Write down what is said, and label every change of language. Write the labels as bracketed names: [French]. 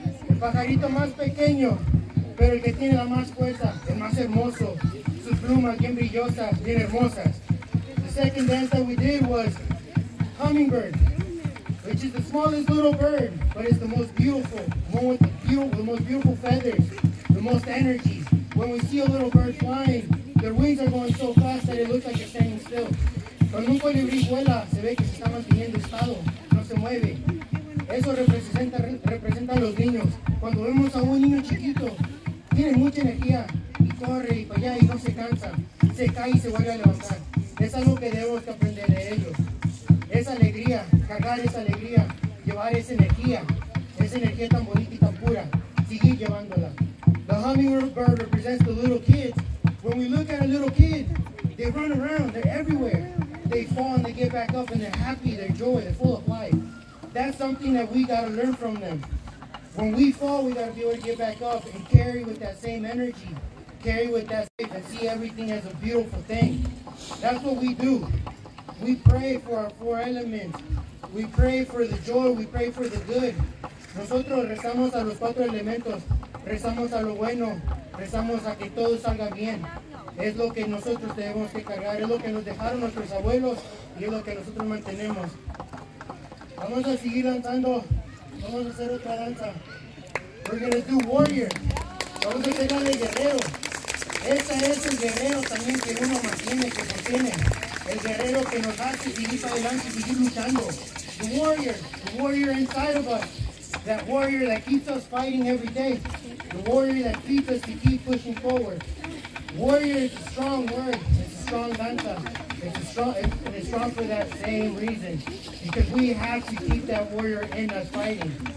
[Spanish] El pajarito más pequeño, pero el que tiene la más fuerza, el más hermoso. Sus plumas bien brillosas, bien hermosas. [English] The second dance that we did was hummingbird, which is the smallest little bird, but it's the most beautiful, the most beautiful feathers, the most energy. When we see a little bird flying, their wings are going so fast that it looks like they're standing still. [Spanish] Cuando un colibrí vuela, se ve que se está manteniendo estado, no se mueve. Eso representa a los niños. Cuando vemos a un niño chiquito, tiene mucha energía, y corre, y para allá, y no se cansa. Se cae y se vuelve a levantar. Es algo que debemos aprender de ellos. Esa alegría, cargar esa alegría, llevar esa energía tan bonita y tan pura, seguir llevándola. [English] The hummingbird represents the little kids. When we look at a little kid, they run around, they're everywhere. They fall and they get back up and they're happy, they're joy, they're full of life. That's something that we gotta learn from them. When we fall, we gotta be able to get back up and carry with that same energy, carry with that faith and see everything as a beautiful thing. That's what we do. We pray for our four elements. We pray for the joy. We pray for the good. [Spanish] Nosotros rezamos a los cuatro elementos. Rezamos a lo bueno. Rezamos a que todo salga bien. Es lo que nosotros tenemos que cargar. Es lo que nos dejaron nuestros abuelos. Y es lo que nosotros mantenemos. Vamos a seguir danzando. Vamos a hacer otra danza. [English] We're going to do warrior. [Spanish] Vamos a hacer el guerrero. Ese es el guerrero también que uno mantiene, que contiene. El guerrero que nos hace seguir para adelante y seguir luchando. [English] The warrior inside of us. That warrior that keeps us fighting every day. The warrior that keeps us to keep pushing forward. Warrior is a strong word. It's a strong danza. It's strong for that same reason. Because we have to keep that warrior in us fighting.